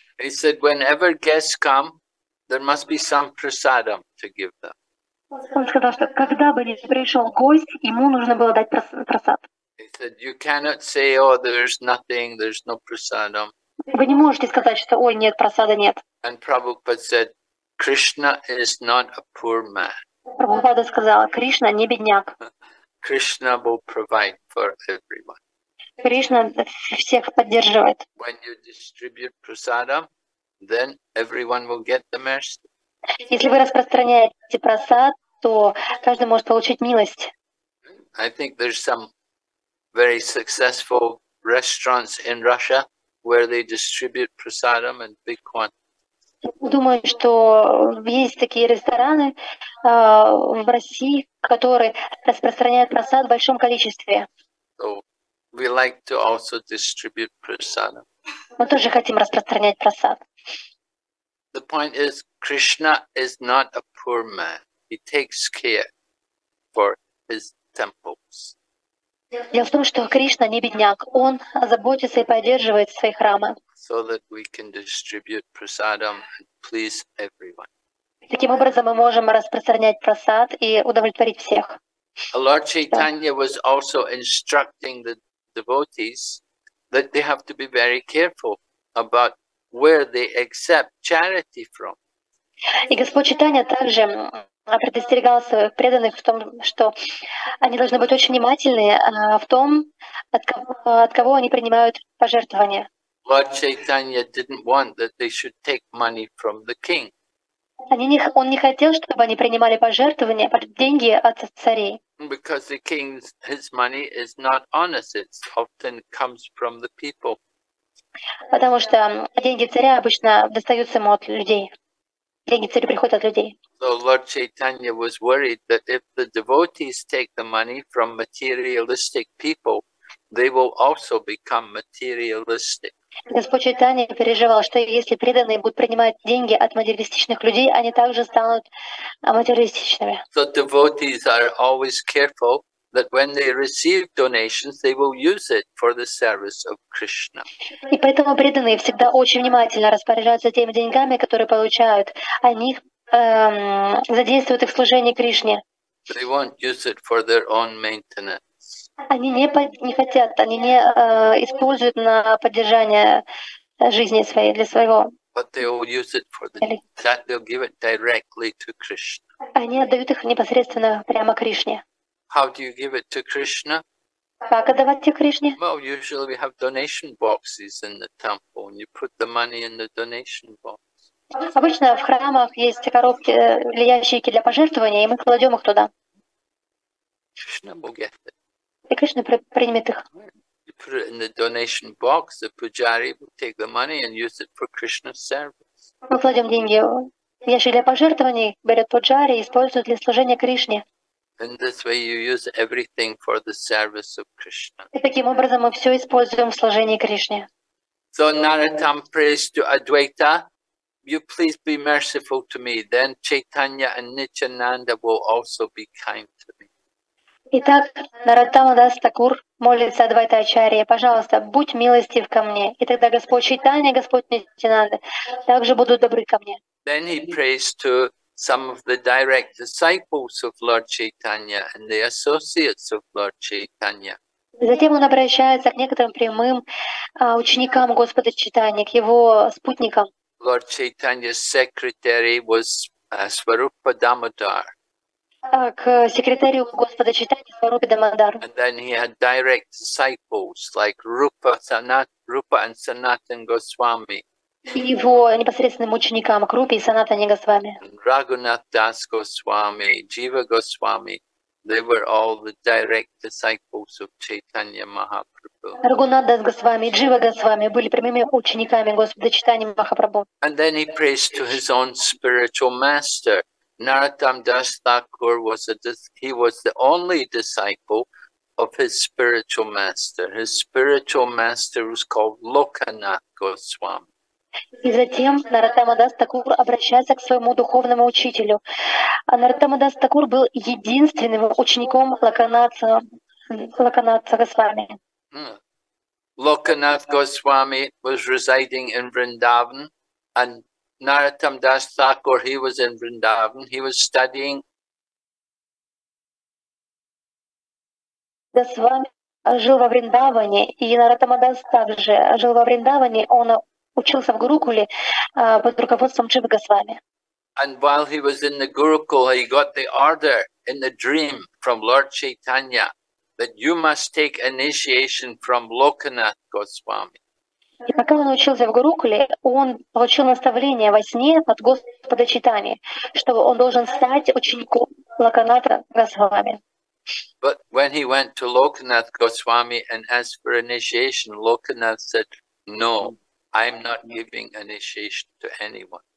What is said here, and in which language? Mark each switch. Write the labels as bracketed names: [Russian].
[English] He said, whenever guests come, there must be some prasadam to give them. [Russian] Он сказал, что когда бы ни пришел гость, ему нужно было дать прасад. [English] He said, you cannot say, oh, there's nothing, there's no prasadam. [Russian] Вы не можете сказать, что, ой, нет, прасада нет. [English] And Prabhupada said, Krishna is not a poor man. [Russian] Прабхупада сказала, Кришна не бедняк. [English] Krishna will provide for everyone. [Russian] Кришна всех поддерживает. [English] When you distribute prasadam, then everyone will get the mercy. [Russian] Если вы распространяете прасад, то каждый может получить милость. [English] I think there's some very successful restaurants in Russia where they distribute prasadam in big quantities. [Russian] Думаю, что есть такие рестораны в России, которые распространяют прасад в большом количестве. [English] So we like to also distribute prasada. [Russian] Мы тоже хотим распространять прасад. [English] The point is, Krishna is not a poor man. He takes care for his temples. [Russian] Дело в том, что Кришна не бедняк. Он заботится и поддерживает свои храмы. [English] So that we can distribute prasadam and please everyone. [Russian] Таким образом мы можем распространять прасад и удовлетворить всех. [English] Lord Chaitanya was also instructing the devotees that they have to be very careful about where they accept charity from. [Russian] И Господь Читания также предостерегал своих преданных в том, что они должны быть очень внимательны в том, от кого они принимают пожертвования. [English] Lord Chaitanya didn't want that they should take money from the king. [Russian] Он не хотел, чтобы они принимали пожертвования, деньги от царей. [English] Because the king's, his money is not honest, it often comes from the people. [Russian] Потому что деньги царя обычно достаются ему от людей. Деньги царя приходят от людей. [English] So Lord Chaitanya was worried that if the devotees take the money from materialistic people, they will also become materialistic. [Russian] Господь Чайтанья переживал, что если преданные будут принимать деньги от материалистичных людей, они также станут материалистичными. [English] So devotees are always careful that when they receive donations, they will use it for the service of Krishna. [Russian] И поэтому преданные всегда очень внимательно распоряжаются теми деньгами, которые получают. Они задействуют их в служении Кришне. [English] They won't use it for their own maintenance. [Russian] Они не хотят, они не используют на поддержание жизни своей, для своего. [English] But they will use it for the, that they'll give it directly to Krishna. [Russian] Они отдают их непосредственно прямо Кришне. [English] How do you give it to Krishna? [Russian] Как отдавать их Кришне? [English] Well, usually we have donation boxes in the temple, and you put the money in the donation box. [Russian] Обычно в храмах есть коробки или ящики для пожертвования, и мы кладем их туда. [English] Krishna will get it. [Russian] И Кришна примет их. [English] You put it in the donation box, the pujari will take the money and use it for Krishna's service. [Russian] Мы кладем деньги в ящик для пожертвований, берет пуджари и используют для служения Кришне. [English] In this way you use everything for the service of Krishna. [Russian] И таким образом мы все используем в служении Кришне. [English] So Narottam prays to Advaita, you please be merciful to me, then Chaitanya and Nityananda will also be kind to me. [Russian] Итак, Нараттама Дас Такур молится Адвайта Ачарье, пожалуйста, будь милостив ко мне, и тогда Господь Чайтанья, Господь Нитинанда также будут добры ко мне. [English] Then he prays to some of the direct disciples of Lord Chaitanya and the associates of Lord Chaitanya. [Russian] Затем он обращается к некоторым прямым ученикам Господа Чайтаньи, к его спутникам. [English] Lord Chaitanya's secretary was Swarupa Damodar. [Russian] К секретарю Господа Чайтаньи Сварупа Дамодара. [English] And then he had direct disciples like Rupa, Rupa and Sanatan Goswami. [Russian] Его непосредственным ученикам к Рупе и Санатане Госвами. Рагунат Дас Госвами, Джива Госвами. [English] They were all the direct disciples of Chaitanya Mahaprabhu. [Russian] Рагунат Дас Госвами, Джива Госвами были прямыми учениками Господа Чайтаньи Махапрабху. [English] And then he prays to his own spiritual master. Narottam Das Thakur was he was the only disciple of his spiritual master. His spiritual master was called Lokanath Goswami. [Russian] И затем Нараттама Дас Такур обращается к своему духовному учителю. А Нараттама Дас Такур был единственным учеником Локанатха Госвами. [English] Локанатха Госвами was residing in Vrindavan, and Narottama Das Thakur, he was in Vrindavan, he was studying. [Russian] Госвами жил во Вриндаване, и Нараттама Дас также жил во Вриндаване, он учился в Гурукуле под руководством Джива Госвами. [English] And while he was in the Gurukul, he got the order in the dream from Lord Chaitanya that you must take initiation from Lokanath Goswami. [Russian] И пока он учился в Гурукуле, он получил наставление во сне от Господа Чайтаньи, что он должен стать учеником Локанатха Госвами. [English] But when he went to Lokanath Goswami and asked for initiation, Lokanath said, no, I'm not giving initiation to anyone.